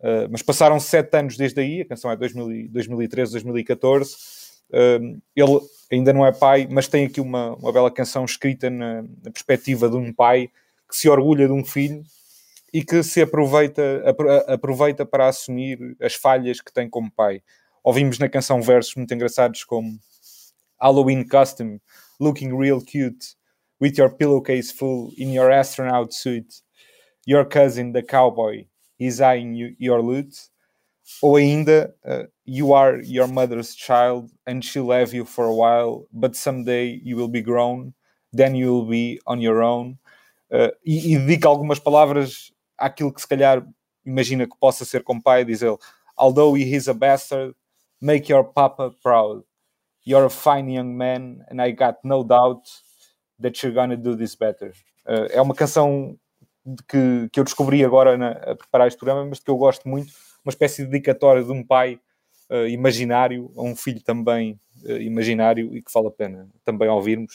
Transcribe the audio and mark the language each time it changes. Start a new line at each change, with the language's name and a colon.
Portuguese: Mas passaram 7 anos desde aí, a canção é 2013, 2014, ele ainda não é pai, mas tem aqui uma bela canção escrita na perspectiva de um pai que se orgulha de um filho e que se aproveita para assumir as falhas que tem como pai. Ouvimos na canção versos muito engraçados como
English: Halloween costume, looking real cute, with your pillowcase full in your astronaut suit, your cousin the cowboy is eyeing your loot,
Portuguese: ou ainda
English: You are your mother's child and she'll have you for a while, but someday you will be grown, then you will be on your own.
Portuguese: E dedica algumas palavras àquilo que se calhar imagina que possa ser como pai. Diz ele:
English: although he is a bastard, make your papa proud. You're a fine young man and I got no doubt that you're gonna do this better.
Portuguese: É uma canção que eu descobri agora a preparar este programa, mas que eu gosto muito. Uma espécie de dedicatória de um pai imaginário, a um filho também imaginário, e que vale a pena também ouvirmos.